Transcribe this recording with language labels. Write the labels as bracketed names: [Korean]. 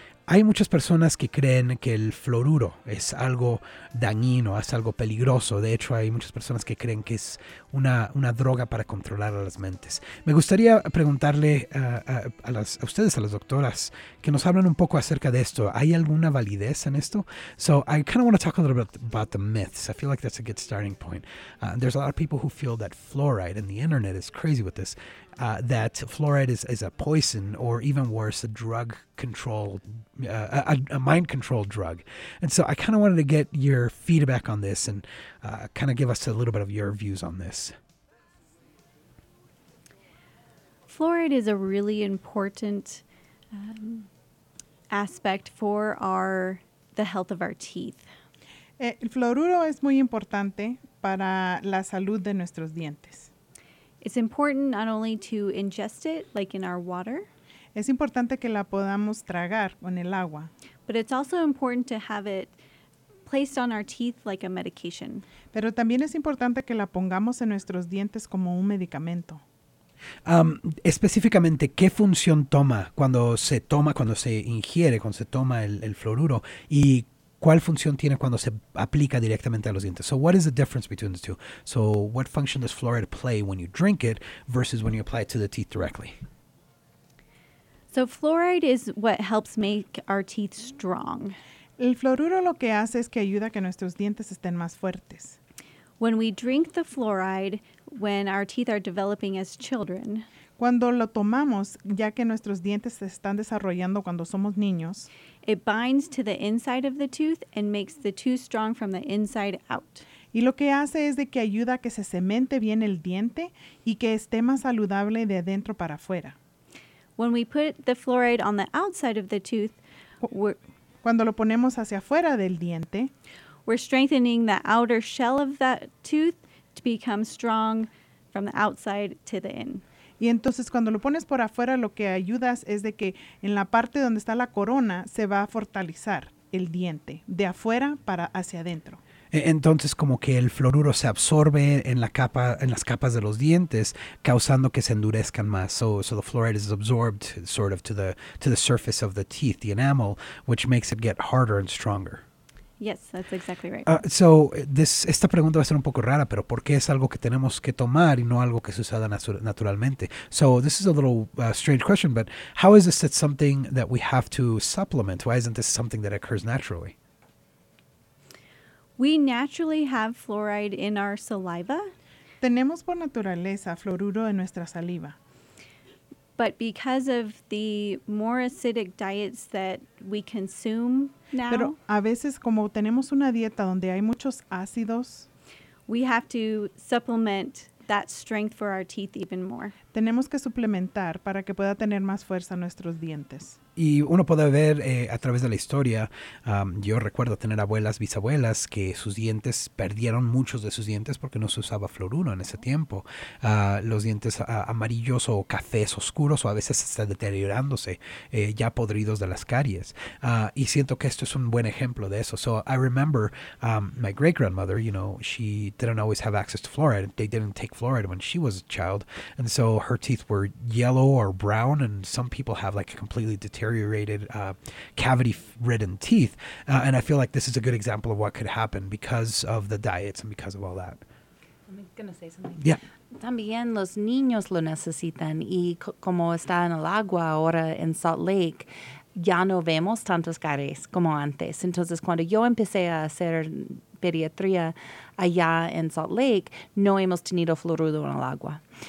[Spanish] Hay muchas personas que creen que el fluoruro es algo dañino, es algo peligroso. De hecho, hay muchas personas que creen que es una droga para controlar a las mentes. Me gustaría preguntarle a las doctoras, que nos hablen un poco acerca de esto. ¿Hay alguna validez en esto? [English] So I kind of want to talk a little bit about the myths. I feel like that's a good starting point. There's a lot of people who feel that fluoride, and the internet is crazy with this, that fluoride is a poison, or even worse, a drug control, a mind control drug. And so I kind of wanted to get your feedback on this and kind of give us a little bit of your views on this. Fluoride is a really important aspect for the health of our teeth. [Spanish] El fluoruro es muy importante para la salud de nuestros dientes. [English] It's important not only to ingest it, like in our water. [Spanish] Es importante que la podamos tragar con el agua. [English] But it's also important to have it placed on our teeth like a medication. [Spanish] Pero también es importante que la pongamos en nuestros dientes como un medicamento. Específicamente, ¿qué función toma cuando se toma, cuando se ingiere, cuando se toma el fluoruro? ¿Y cuál función tiene cuando se aplica directamente a los dientes? [English] So what is the difference between the two? So what function does fluoride play when you drink it versus when you apply it to the teeth directly? So fluoride is what helps make our teeth strong. [Spanish] El fluoruro lo que hace es que ayuda a que nuestros dientes estén más fuertes. [English] When we drink the fluoride, when our teeth are developing as children. [Spanish] Cuando lo tomamos, ya que nuestros dientes se están desarrollando cuando somos niños. [English] It binds to the inside of the tooth and makes the tooth strong from the inside out. [Spanish] Y lo que hace es de que ayuda a que se cemente bien el diente y que esté más saludable de adentro para afuera. [English] When we put the fluoride on the outside of the tooth, [Spanish] cuando lo ponemos hacia afuera del diente, [English] we're strengthening the outer shell of that tooth to become strong from the outside to the in. [Spanish] Y entonces cuando lo pones por afuera, lo que ayudas es de que en la parte donde está la corona se va a fortalecer el diente de afuera para hacia adentro. Entonces como que el fluoruro se absorbe en la capa, en las capas de los dientes, causando que se endurezcan más. [English] So the fluoride is absorbed sort of to the surface of the teeth, the enamel, which makes it get harder and stronger. Yes, that's exactly right. [Spanish] Esta pregunta va a ser un poco rara, pero ¿por qué es algo que tenemos que tomar y no algo que se usa naturalmente? [English] So this is a little strange question, but how is this that something that we have to supplement? Why isn't this something that occurs naturally? We naturally have fluoride in our saliva. [Spanish] Tenemos por naturaleza fluoruro en nuestra saliva. [English] But because of the more acidic diets that we consume now, [Spanish] pero a veces como tenemos una dieta donde hay muchos ácidos, [English] we have to supplement that strength for our teeth even more. [Spanish] Tenemos que suplementar para que pueda tener más fuerza nuestros dientes. Y uno puede ver a través de la historia, yo recuerdo tener abuelas, bisabuelas, que sus dientes perdieron muchos de sus dientes porque no se usaba fluoruro en ese tiempo. Los dientes amarillos o cafés oscuros o a veces están deteriorándose, ya podridos de las caries. Y siento que esto es un buen ejemplo de eso. [English] So I remember my great-grandmother, you know, she didn't always have access to fluoride. They didn't take fluoride when she was a child. And so her teeth were yellow or brown, and some people have like a completely deteriorated cavity-ridden teeth. And I feel like this is a good example of what could happen because of the diets and because of all that. I'm going to say something. Yeah. [Spanish] También los niños lo necesitan y como está en el agua ahora en Salt Lake, ya no vemos tantos caries como antes. Entonces, cuando yo empecé a hacer pediatría allá en Salt Lake, no hemos tenido fluorudo en el agua.